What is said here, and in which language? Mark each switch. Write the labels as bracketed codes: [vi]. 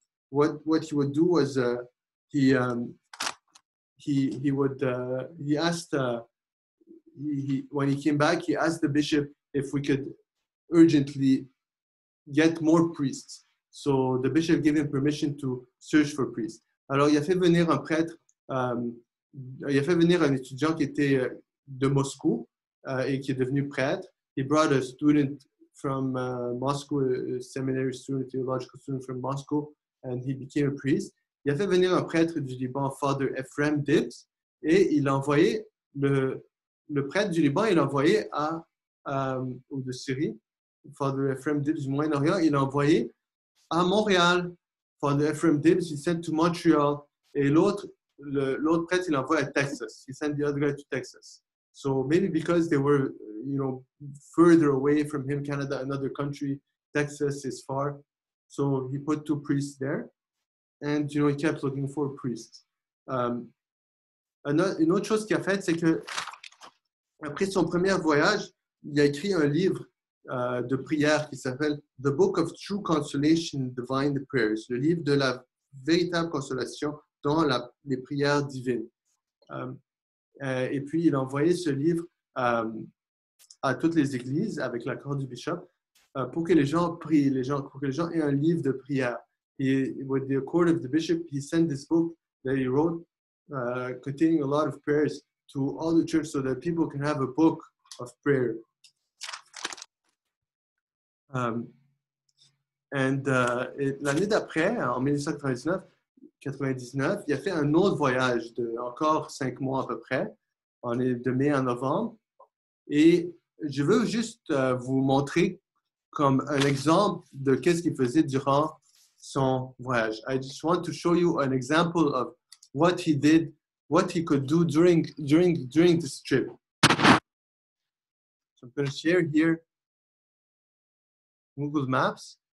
[en] What he would do was when he came back, he asked the bishop if we could urgently get more priests. So the bishop gave him permission to search for priests. [fr] Alors il a fait venir un prêtre, il a fait venir un étudiant qui était de Moscou et qui est devenu prêtre. [en] He brought a student from Moscow, a seminary student, a theological student from Moscow, and he became a priest. [fr] Il a fait venir un prêtre du Liban, Father Ephraim Dibbs, et il a envoyé le prêtre du Liban, il l'a envoyé à ou de Syrie, Father Ephraim Dibbs du Moyen-Orient, il l'a envoyé à Montréal, Father Ephraim Dibbs, [en] he sent to Montreal, [fr] et l'autre prêtre, il l'a envoyé à Texas, [en] he sent the other guy to Texas. So maybe because they were, you know, further away from him, Canada, another country, Texas is far. So he put two priests there, and you know he kept looking for priests. [fr] Une autre chose qu'il a fait, c'est que après son premier voyage, il a écrit un livre de prière qui s'appelle The Book of True Consolation, Divine Prayers, le livre de la véritable consolation dans les prières divines. Et puis, il a envoyé ce livre à toutes les églises avec l'accord du bishop pour que les gens prient, pour que les gens aient un livre de prière. [en] Et with the accord of the bishop, he sent this book that he wrote containing a lot of prayers to all the church so that people can have a book of prayer. [fr] Et l'année d'après, en 1999, il a fait un autre voyage de encore 5 mois à peu près, on est de mai à novembre. Et je veux juste vous montrer comme un exemple de qu'est-ce qu'il faisait durant son voyage. [en] I just want to show you an example of what he did, what he could do during this trip. So I'm going to share here Google Maps.